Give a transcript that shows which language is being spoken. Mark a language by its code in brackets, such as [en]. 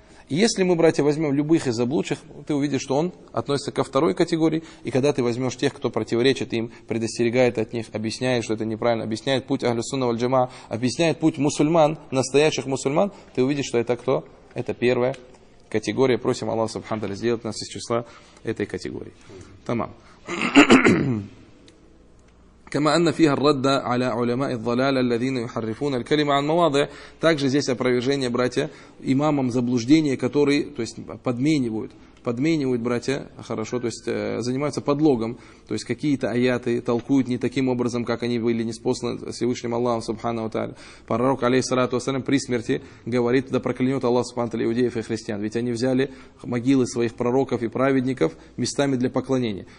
[ru] Если мы, братья, возьмем любых из заблудших, ты увидишь, что он относится ко второй категории, и когда ты возьмешь тех, кто противоречит им, предостерегает от них, объясняет, что это неправильно, объясняет путь Ахлю Сунна валь Джамаа, объясняет путь мусульман, настоящих мусульман, ты увидишь, что это кто? Это первая категория. Просим Аллаха субхана ва тааля сделать нас из числа этой категории. Тамам. [ar] كما أن فيها الرد على علماء الضلال الذين يحرفون الكلمة عن مواضع. [ru] Также здесь опровержение, братья, имамам заблуждения, которые, то есть, подменивают, братья, хорошо, то есть занимаются подлогом, то есть какие-то аяты толкуют не таким образом, как они были ниспосланы Всевышним Аллахом субхана ва тааля. Пророк, алейхиссалату вассалям, при смерти говорит: да проклянет Аллах субхана ва тааля иудеев и христиан, ведь они взяли могилы своих пророков и праведников местами для поклонения.